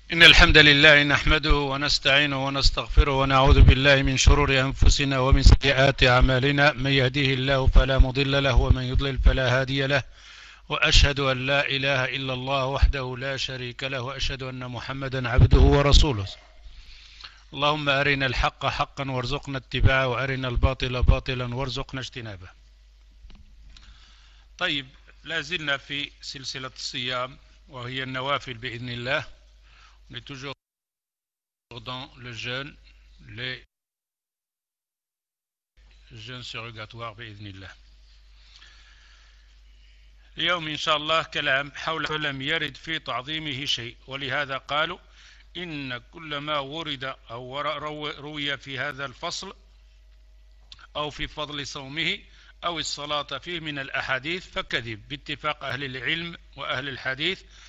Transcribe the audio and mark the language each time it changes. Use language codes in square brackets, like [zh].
[ar] إن الحمد لله نحمده ونستعينه ونستغفره ونعوذ بالله من شرور أنفسنا ومن سيئات أعمالنا، من يهديه الله فلا مضل له ومن يضلل فلا هادي له، وأشهد أن لا إله إلا الله وحده لا شريك له، وأشهد أن محمدا عبده ورسوله. اللهم أرنا الحق حقا وارزقنا اتباعه، وأرنا الباطل باطلا وارزقنا اجتنابه. طيب، لازلنا في سلسلة الصيام وهي النوافل بإذن الله. [fr] On est toujours dans le jeûne, les jeûnes surrogatoires, bi'idhnillah. [ar] اليوم إن شاء الله كلام حول فلم يرد في تعظيمه شيء، ولهذا قالوا إن كل ما ورد أو روي في هذا الفصل أو في فضل صومه أو الصلاة فيه من الأحاديث فكذب باتفاق أهل العلم وأهل الحديث.